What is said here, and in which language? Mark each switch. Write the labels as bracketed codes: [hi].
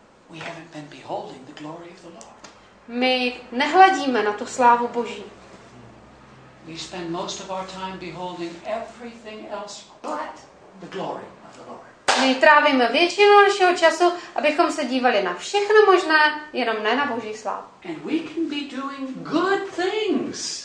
[en] We haven't been beholding the glory of the Lord. [cs] My nehledíme na tu slávu Boží. [en] We spend most of our time beholding everything else but the glory of the Lord. [cs] My trávíme většinu našeho času, abychom se dívali na všechno možné, jenom ne na Boží slávu. [en] And we can be doing good things.